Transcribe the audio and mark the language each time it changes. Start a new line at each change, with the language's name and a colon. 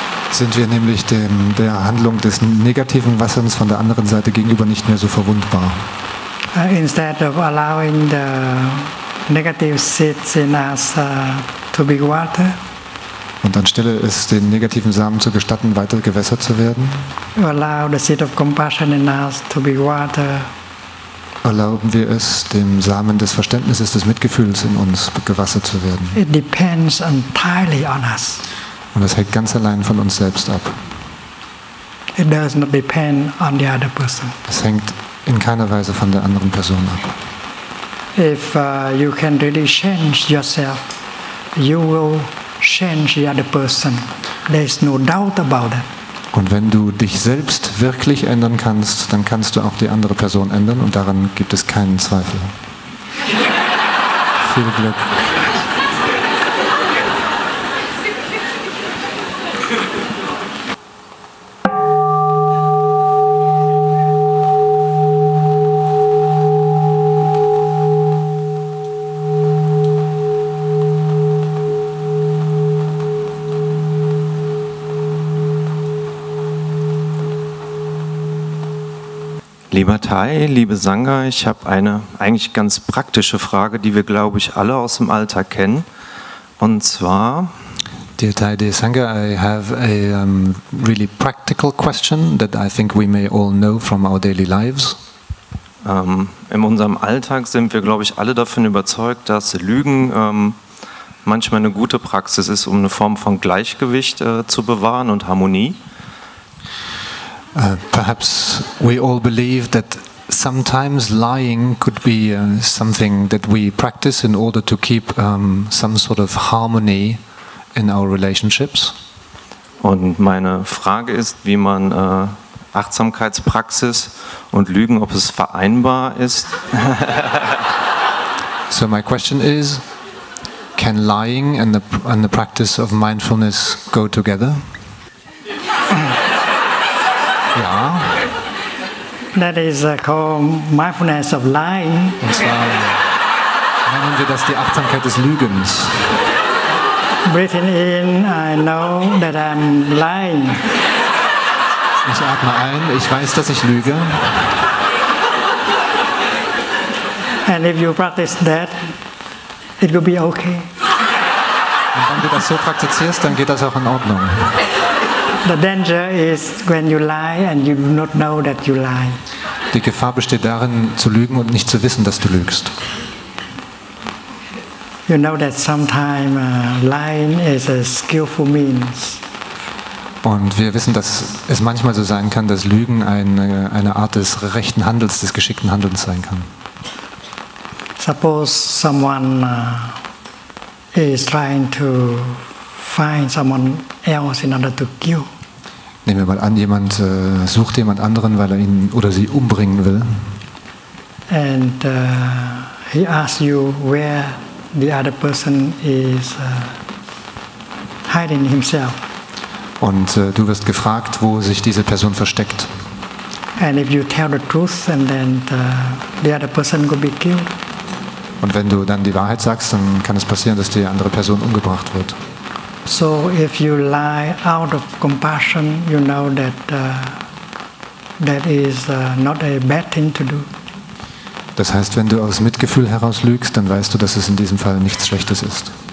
German: Sind wir nämlich der Handlung des negativen Wasserns von der anderen Seite gegenüber nicht mehr so verwundbar.
English: Instead of allowing the negative seeds in us to be watered.
German: Und anstelle es den negativen Samen zu gestatten, weiter gewässert zu werden.
English: Allow the seed of compassion in us to be watered.
German: Erlauben wir es, dem Samen des Verständnisses, des Mitgefühls in uns gewässert zu werden.
English: It depends entirely on us.
German: Und es hängt ganz allein von uns selbst ab.
English: It does not depend on the other person.
German: Es hängt in keiner Weise von der anderen Person ab.
English: If you can really change yourself, you will change the other person. There is no doubt about it.
German: Und wenn du dich selbst wirklich ändern kannst, dann kannst du auch die andere Person ändern, und daran gibt es keinen Zweifel. Viel Glück. Lieber Tai, liebe Sangha, ich habe eine eigentlich ganz praktische Frage, die wir, glaube ich, alle aus dem Alltag kennen. Und zwar...
English: Dear Tai, dear Sangha, I have a really practical question that I think we may all know from our daily lives.
German: In unserem Alltag sind wir, glaube ich, alle davon überzeugt, dass Lügen manchmal eine gute Praxis ist, um eine Form von Gleichgewicht zu bewahren und Harmonie.
English: Perhaps we all believe that sometimes lying could be something that we practice in order to keep some sort of harmony in our relationships.
German: Und meine Frage ist, wie man Achtsamkeitspraxis und Lügen, ob es vereinbar ist.
English: So my question is, can lying and the practice of mindfulness go together?
German: Ja.
English: That is called mindfulness of lying.
German: Und zwar nennen wir das die Achtsamkeit des Lügens.
English: Breathing in, I know that I'm lying.
German: Ich atme ein, ich weiß, dass ich lüge.
English: And if you practice that, it will be okay.
German: Und wenn du das so praktizierst, dann geht das auch in Ordnung.
English: The danger is when you lie and you do not know that you lie.
German: Die Gefahr besteht darin, zu lügen und nicht zu wissen, dass du lügst.
English: You know that sometimes lying is a skillful means.
German: Und wir wissen, dass es manchmal so sein kann, dass Lügen eine Art des rechten Handels, des geschickten Handelns sein kann.
English: Suppose someone is trying to find someone else in order to kill.
German: Nehmen wir mal an, jemand sucht jemand anderen, weil er ihn oder sie umbringen will.
English: And he asks you where the other person is hiding himself.
German: Und du wirst gefragt, wo sich diese Person versteckt.
English: And if you tell the truth, and then the other person will be killed.
German: Und wenn du dann die Wahrheit sagst, dann kann es passieren, dass die andere Person umgebracht wird.
English: So if you lie out of compassion, you know that that is not a bad thing to do.
German: Das heißt, wenn du aus Mitgefühl heraus lügst, dann weißt du, dass es in diesem Fall nichts Schlechtes ist.